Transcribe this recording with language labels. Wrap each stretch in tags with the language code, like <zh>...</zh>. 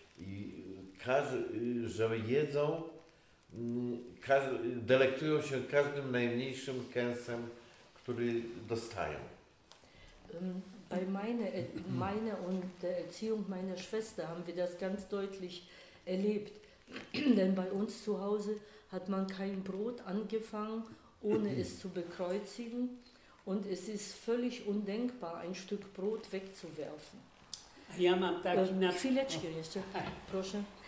<pl>I że jedzą, delektują się każdym najmniejszym kęsem, który dostają.</pl> <de>Bei meiner und der Erziehung meiner Schwester haben wir das ganz deutlich erlebt. Denn bei uns zu Hause hat man kein Brot angefangen, ohne es zu bekreuzigen. Und es ist völlig undenkbar, ein Stück Brot wegzuwerfen.</de> <pl>Ja, mam taki na chwileczkę jeszcze, proszę.</pl>